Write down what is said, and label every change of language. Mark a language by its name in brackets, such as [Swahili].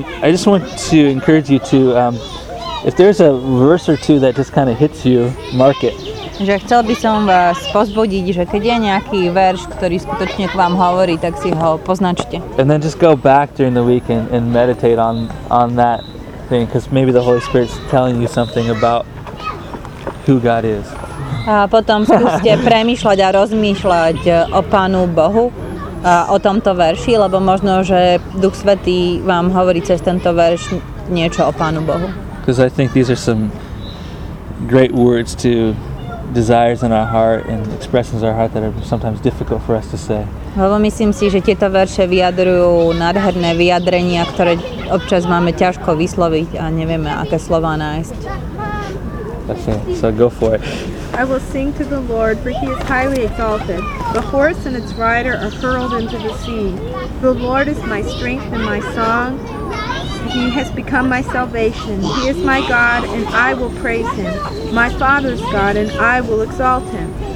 [English] I just want to encourage you to, if there's a verse or two that just kind of hits you, mark it. [Slovak] Že chcel by som vás pozbudiť, že keď je nejaký verš, ktorý skutočne k vám hovorí, tak si ho poznačte. [English] And then just go back during the week and meditate on that thing, because maybe the Holy Spirit's telling you something about who God is. [Slovak] A potom skúste premýšľať a rozmýšľať o Pánu Bohu a o tomto verši, lebo možno, že Duch Svätý vám hovorí cez tento verš niečo o Pánu Bohu. [English] Because I think these are some great words to desires in our heart and expressions our heart that are sometimes difficult for us to say. [Slovak] Lebo myslím si, že tieto verše vyjadrujú nádherné vyjadrenia, ktoré občas máme ťažko vysloviť a nevieme, aké slova nájsť. [English] Okay, so go for it. I will sing to the Lord, for he is highly exalted. The horse and its rider are hurled into the sea. The Lord is my strength and my song. He has become my salvation. He is my God, and I will praise him. My father's God, and I will exalt him.